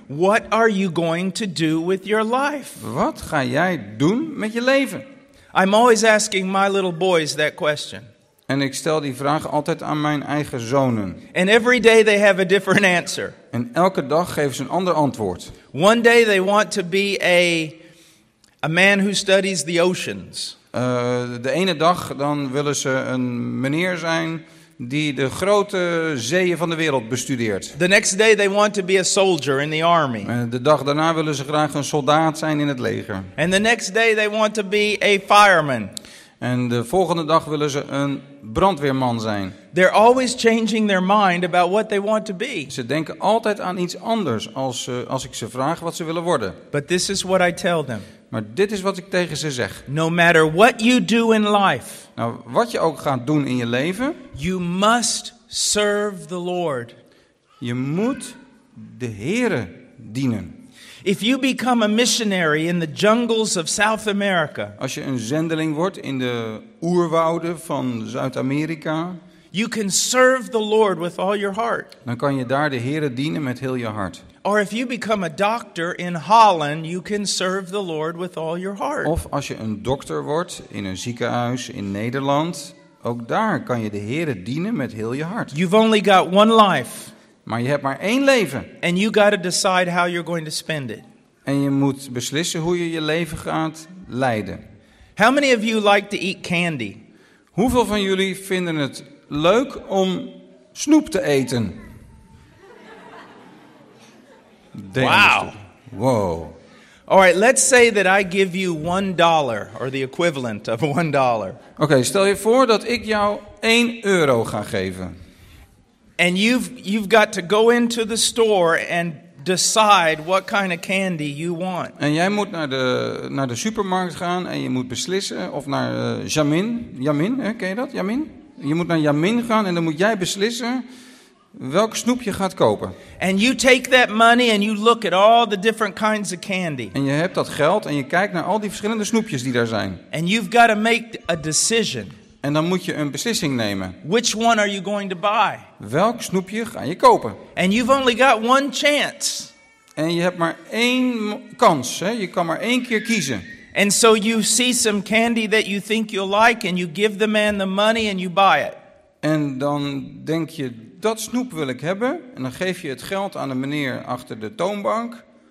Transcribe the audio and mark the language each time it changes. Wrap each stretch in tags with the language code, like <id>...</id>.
<en>What are you going to do with your life?</en> <nl>Wat ga jij doen met je leven?</nl> <en>I'm always asking my little boys that question.</en> <nl>En ik stel die vraag altijd aan mijn eigen zonen.</nl> <en>And every day they have a different answer.</en> <nl>En elke dag geven ze een ander antwoord.</nl> <en>One day they want to be a man who studies the oceans.</en> <nl>De ene dag dan willen ze een meneer zijn die de grote zeeën van de wereld bestudeert.</nl> <en>The next day they want to be a soldier in the army.</en> <nl>De dag daarna willen ze graag een soldaat zijn in het leger.</nl> <en>And the next day they want to be a fireman.</en> <nl>En de volgende dag willen ze een brandweerman zijn.</nl> <en>They're always changing their mind about what they want to be.</en> <nl>Ze denken altijd aan iets anders als ik ze vraag wat ze willen worden.</nl> <en>But this is what I tell them.</en> <nl>Maar dit is wat ik tegen ze zeg.</nl> <en>No matter what you do in life.</en> <nl>Nou, wat je ook gaat doen in je leven.</nl> <en>You must serve the Lord.</en> <nl>Je moet de Heere dienen.</nl> <en>If you become a missionary in the jungles of South America.</en> <nl>Als je een zendeling wordt in de oerwouden van Zuid-Amerika.</nl> <en>You can serve the Lord with all your heart.</en> <nl>Dan kan je daar de Heere dienen met heel je hart.</nl> <en>Or if you become a doctor in Holland, you can serve the Lord with all your heart.</en> <nl>Of als je een dokter wordt in een ziekenhuis in Nederland, ook daar kan je de Heere dienen met heel je hart.</nl> <en>You've only got one life.</en> <nl>Maar je hebt maar één leven.</nl> <en>And you got to decide how you're going to spend it.</en> <nl>En je moet beslissen hoe je je leven gaat leiden.</nl> <en>How many of you like to eat candy?</en> <nl>Hoeveel van jullie vinden het leuk om snoep te eten? Wow. Wow.</nl> <en>All right, let's say that I give you $1 or the equivalent of $1.</en> <nl>Oké, stel je voor dat ik jou 1 euro ga geven.</nl> <en>And you've got to go into the store and decide what kind of candy you want.</en> <nl>En jij moet naar de supermarkt gaan en je moet beslissen of naar Jamin. Jamin, hè, ken je dat? Jamin? Je moet naar Jamin gaan en dan moet jij beslissen welk snoep je gaat kopen.</nl> <en>And you take that money and you look at all the different kinds of candy.</en> <nl>En je hebt dat geld en je kijkt naar al die verschillende snoepjes die daar zijn.</nl> <en>And you've got to make a decision.</en> <nl>En dan moet je een beslissing nemen.</nl> <en>Which one are you going to buy?</en> <nl>Welk snoepje ga je kopen?</nl> <en>And you've only got one chance.</en> <nl>En je hebt maar 1 kans, hè? Je kan maar 1 keer kiezen.</nl> <en>And so you see some candy that you think you'll like and you give the man the money and you buy it.</en> <nl>En dan denk je, dat snoep wil ik hebben. En dan geef je het geld aan de meneer achter de toonbank.</nl>